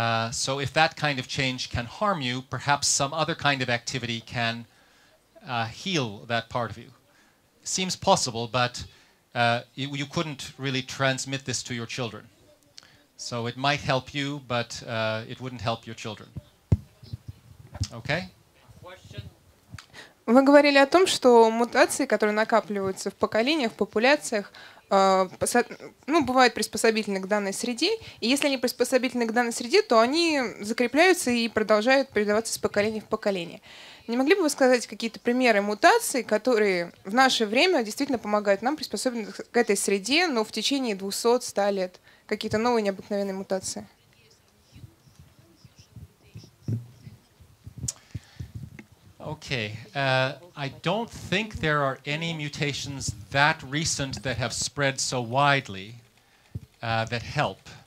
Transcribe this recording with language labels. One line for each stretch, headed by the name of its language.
English: So if that kind of change can harm you, perhaps some other kind of activity can heal that part of you. Seems possible, but you couldn't really transmit this to your children. So it might help you, but it wouldn't help your children. Okay?
Russian: Вы говорили о том, что мутации, которые накапливаются в поколениях, в популяциях, ну, бывают приспособительны к данной среде, и если они приспособительны к данной среде, то они закрепляются и продолжают передаваться с поколения в поколение. Не могли бы вы сказать какие-то примеры мутаций, которые в наше время действительно помогают нам приспособиться к этой среде, но в течение 200-100 лет? Какие-то новые необыкновенные мутации?
English: Okay, I don't think there are any mutations that recent that have spread so widely that help.